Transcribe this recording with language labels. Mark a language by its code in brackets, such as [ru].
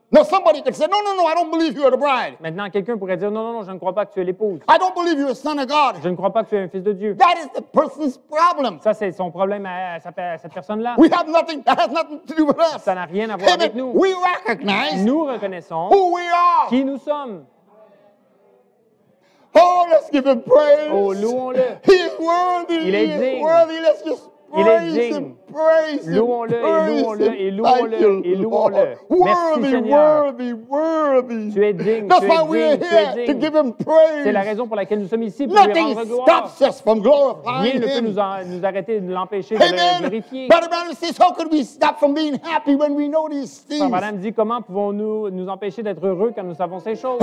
[en] Now somebody could say, no, no, no, I don't believe you are the bride. [fr] Maintenant, quelqu'un pourrait dire, non, non, non, je ne crois pas que tu es l'épouse. [en] I don't believe you are a son of God. [fr] Je ne crois pas que tu es un fils de Dieu. [en] That is the person's problem. [fr] Ça, c'est son problème à cette personne-là. [en] We have nothing, that has nothing to do with us. [fr] Ça n'a rien à voir avec nous. [en] We recognize. [fr] Nous reconnaissons. [en] Who we are. [fr] Qui nous sommes. [en] Oh, let's give him praise. [fr] Oh, louons-le. [en] He is worthy. [fr] Il est digne. [en] He is worthy. Let's just [fr] il est digne. Louons-le et louons-le et louons-le et louons-le. [en] Worthy, worthy, worthy. [fr] Tu es digne. [en] That's why we are here to give him praise. [fr] C'est la raison pour laquelle nous sommes ici pour lui rendre gloire. [en] Nothing stops us from glorifying him. [fr] Rien ne peut nous arrêter de l'empêcher de le glorifier. [en] Brother Branham says, how could we stop from being happy when we know these things? [fr] Madame dit, comment pouvons-nous nous empêcher d'être heureux quand nous savons ces choses?